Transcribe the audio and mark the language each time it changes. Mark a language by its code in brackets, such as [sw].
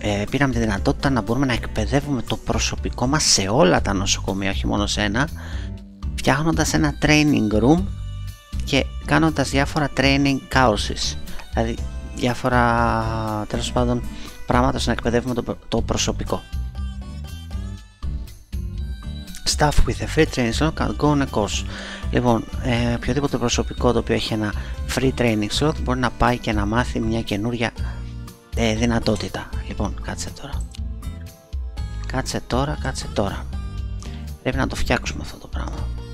[el] πήραμε τη δυνατότητα να μπορούμε να εκπαιδεύουμε το προσωπικό μας σε όλα τα νοσοκομεία, όχι μόνο σε ένα, φτιάχνοντας ένα training room και κάνοντας διάφορα training courses, δηλαδή διάφορα, τέλος πάντων, πράγματα στο να εκπαιδεύουμε το προσωπικό. [en] Staff with a free training slot can go on a course. [el] Λοιπόν, οποιοδήποτε προσωπικό το οποίο έχει ένα free training slot μπορεί να πάει και να μάθει μια καινούρια δυνατότητα. Λοιπόν, κάτσε τώρα. Πρέπει να το φτιάξουμε αυτό το πράγμα.